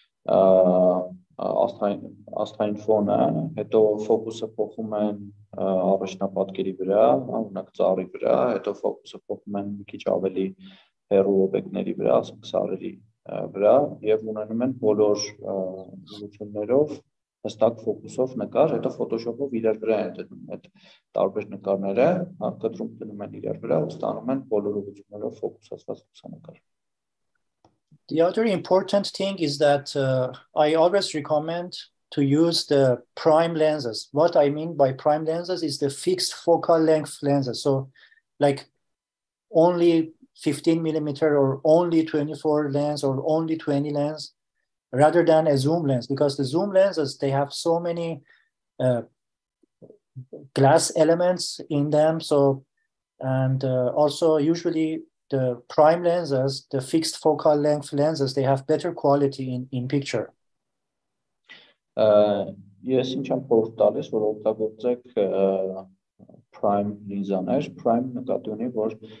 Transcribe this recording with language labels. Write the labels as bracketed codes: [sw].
[hy] աստղային ֆոնը, հետո ֆոկուսը փոխում են առաջնապատկերի վրա, օրինակ ծառի վրա, հետո ֆոկուսը փոխում են մի քիչ ավելի հեռու օբյեկտների վրա, ասենք սարերի վրա, եւ ունենում են բոլոր լուծումներով հստակ ֆոկուսով նկար, հետո Photoshop-ով իրար վրա են դնում այդ տարբեր նկարները, կտրում դնում են իրար վրա ու ստանում են բոլոր ուղղություններով ֆոկուսացված լուսանկար։ [en] The other important thing is that I always recommend to use the prime lenses. What I mean by prime lenses is the fixed focal length lenses. So like only 15 millimeter or only 24 lens or only 20 lens, rather than a zoom lens, because the zoom lenses, they have so many glass elements in them. So, and also usually the prime lenses, the fixed focal length lenses, they have better quality in picture. [hy] Ես ինչ եմ խորհուրդ տալիս, որ օգտագործեք prime լինզաներ, prime նկատի ունի, որ